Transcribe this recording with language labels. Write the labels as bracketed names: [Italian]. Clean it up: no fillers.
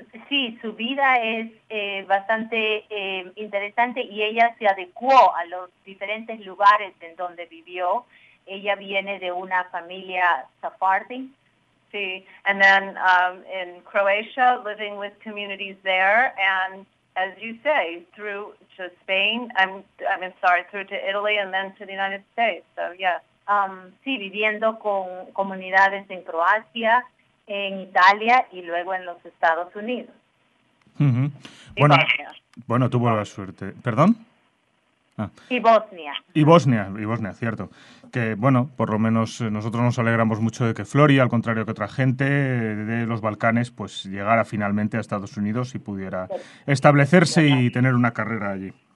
[Spanish] Sí, su vida es bastante interesante y ella se adecuó a los diferentes lugares en donde vivió. Ella viene de una familia Sephardi. [English] Sí, and then in Croatia, living with communities there, and as you say, through to Spain, through to Italy and then to the United States. So, yeah. [Spanish] Sí, viviendo con comunidades en Croacia, en Italia y luego en los Estados Unidos. Mm-hmm. Bueno, tuvo la suerte. ¿Perdón? Ah. Y Bosnia, cierto. Que, bueno, por lo menos nosotros nos alegramos mucho de que Flori, al contrario que otra gente de los Balcanes, pues llegara finalmente a Estados Unidos y pudiera establecerse y tener una carrera allí.